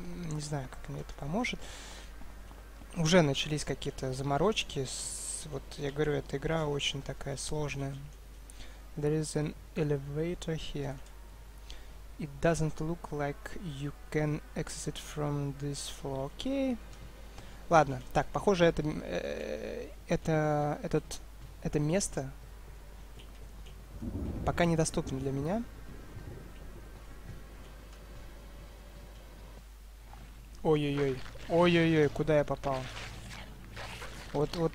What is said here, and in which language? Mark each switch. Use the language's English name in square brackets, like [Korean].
[Russian] Не знаю, как мне это поможет. Уже начались какие-то заморочки. Вот я говорю, эта игра очень такая сложная. [English] There is an elevator here. It doesn't look like you can exit from this floor. [Russian] Окей. Ладно, так, похоже, это место пока недоступен для меня. Ой-ой-ой, куда я попал? Вот.